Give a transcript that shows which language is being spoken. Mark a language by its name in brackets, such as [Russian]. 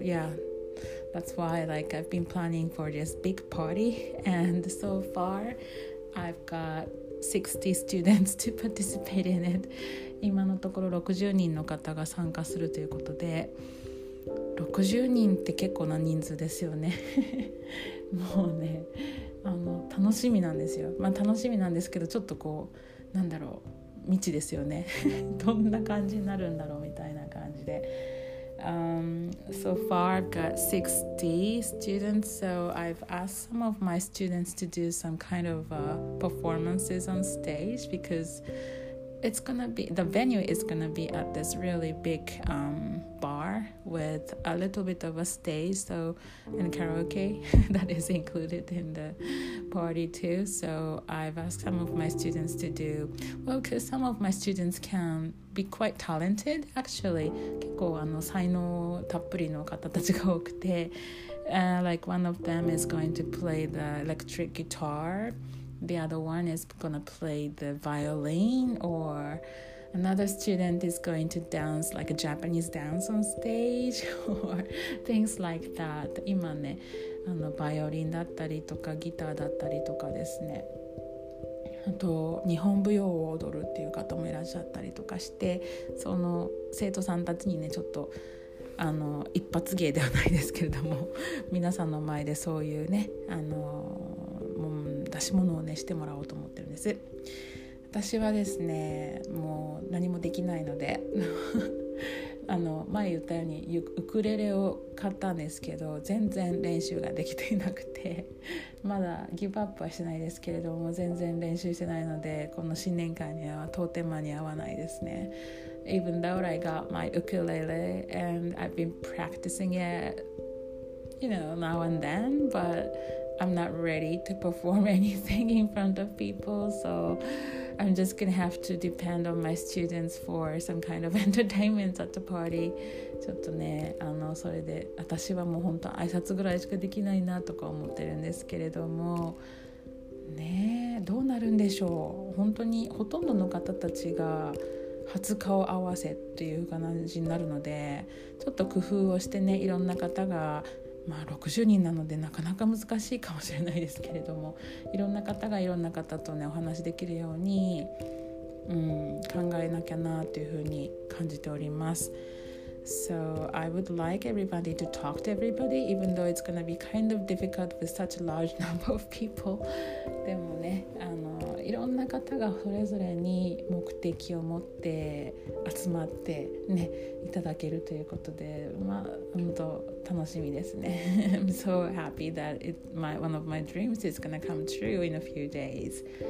[English] yeahThat's why like I've been planning for this big party, and so farI've got 60 students to participate in it. [Japanese] 今のところ60人の方が参加するということで、60人って結構な人数ですよね。もうね、楽しみなんですよ。まあ楽しみなんですけど、ちょっとこう、なんだろう、未知ですよねどんな感じになるんだろうみたいな感じで、 [English] So far I've got 60 students, so I've asked some of my students to do some kind of performances on stage, because it's gonna be, the venue is gonna be at this really big bar with a little bit of a stage, so, and karaoke that is included in the party too. So I've asked some of my students to do, well, because some of my students can be quite talented, actually. [Japanese] 結構あの才能たっぷりの方たちが多くて、 [English] like one of them is going to play the electric guitar, the other one is gonna play the violin, or another student is going to dance like a Japanese dance on stage or things like that. [Japanese] 今ね、あのバイオリンだったりとかギターだったりとかですね、あと日本舞踊を踊るっていう方もいらっしゃったりとかして、その生徒さんたちにね、ちょっとあの一発芸ではないですけれども皆さんの前でそういうね、あの出し物をねしてもらおうと思ってるんです。私はですね、もう何もできないのであの前言ったようにウクレレを買ったんですけど、全然練習ができていなくて、まだギブアップはしてないですけれども、全然練習してないので、この新年会には到底間に合わないですね。 [English] Even though I got my ukulele and I've been practicing it, you know, now and then, butI'm not ready to perform anything in front of people, so I'm just gonna have to depend on my students for some kind of entertainment at the party. [Japanese] ちょっとね、あのそれで私はもう本当挨拶ぐらいしかできないなとか思ってるんですけれどもね、どうなるんでしょう。本当にほとんどの方たちが初顔合わせっていう感じになるので、ちょっと工夫をしてね、いろんな方が、まあ、60人なのでなかなか難しいかもしれないですけれども、いろんな方がいろんな方とねお話しできるように、考えなきゃなというふうに感じております。 [English] So I would like everybody to talk to everybody, even though it's gonna be kind of difficult with such a large number of people. [Japanese] でもね、あのいろんな方がそれぞれに目的を持って集まってね、いただけるということで、まあ本当楽しみですね。 [English] I'm so happy that one of my dreams is gonna come true in a few days.